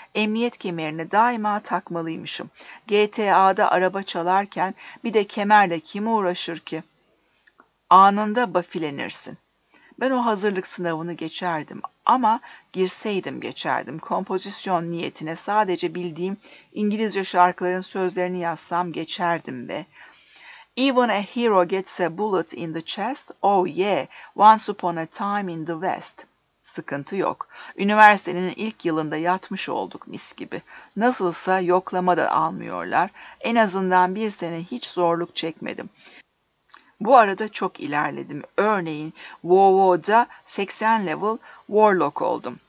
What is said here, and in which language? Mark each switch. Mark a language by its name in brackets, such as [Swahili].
[Turkish] Emniyet kemerini daima takmalıymışım. GTA'da araba çalarken bir de kemerle kim uğraşır ki? Anında bafilenirsin. Ben o hazırlık sınavını geçerdim ama girseydim geçerdim. Kompozisyon niyetine sadece bildiğim İngilizce şarkıların sözlerini yazsam geçerdim be. [English] Even a hero gets a bullet in the chest, oh yeah, once upon a time in the West. [Turkish] Sıkıntı yok. Üniversitenin ilk yılında yatmış olduk mis gibi. Nasılsa yoklama da almıyorlar. En azından bir sene hiç zorluk çekmedim. Bu arada çok ilerledim. Örneğin WoW'da 80 level Warlock oldum.